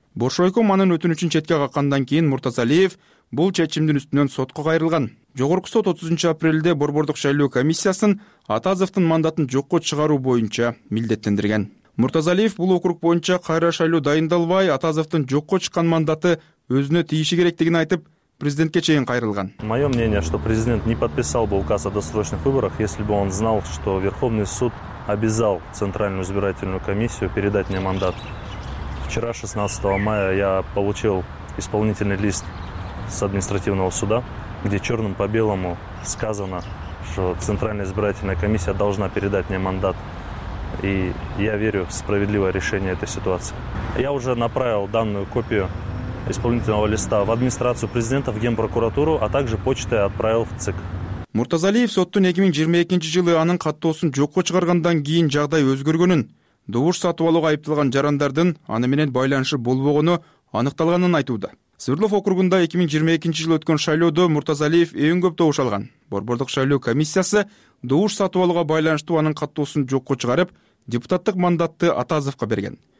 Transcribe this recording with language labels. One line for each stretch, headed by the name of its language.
Kyrgyz: Боршойком анын өтүнүчүн четке каккандан кийин Муртазалиев бул чечимдин үстүнөн сотко кайрылган. Жогорку сот 30-апрелде борбордук шайлоо комиссиясын Атазовдун мандатын жокко чыгаруу боюнча милдеттендирген. Муртазалиев бул округ боюнча кайра шайлоо дайындалбай, Атазовдун жокко чыккан мандаты өзүнө тийиши керектигин айтып, президентке чейин кайрылган.
Russian: Моё мнение, что президент не подписал бы указ о досрочных выборах, если бы он знал, что Верховный суд обязал Центральную избирательную комиссию передать мне мандат. Вчера, 16 мая, я получил исполнительный лист с административного суда, где черным по белому сказано, что Центральная избирательная комиссия должна передать мне мандат. И я верю в справедливое решение этой ситуации. Я уже направил данную копию исполнительного листа в администрацию президента, в Генпрокуратуру, а также почтой отправил в ЦИК.
Kyrgyz: Муртазалиев соттун 2022 жылы анын каттоосун жокко чыгаргандан кийин жагдай өзгөргөнүн, добуш сатып алууга айыпталган жарандардын аны менен байланышы болбогону аныкталганын айтууда. Свердлов округунда 2022 жылы өткөн шайлоодо Муртазалиев эң көп добуш алган. Борбордук шайлоо комиссиясы добуш сатып алууга байланыштуу анын каттоосун жокко чыгарып, депутаттык мандатты Атазовго берген.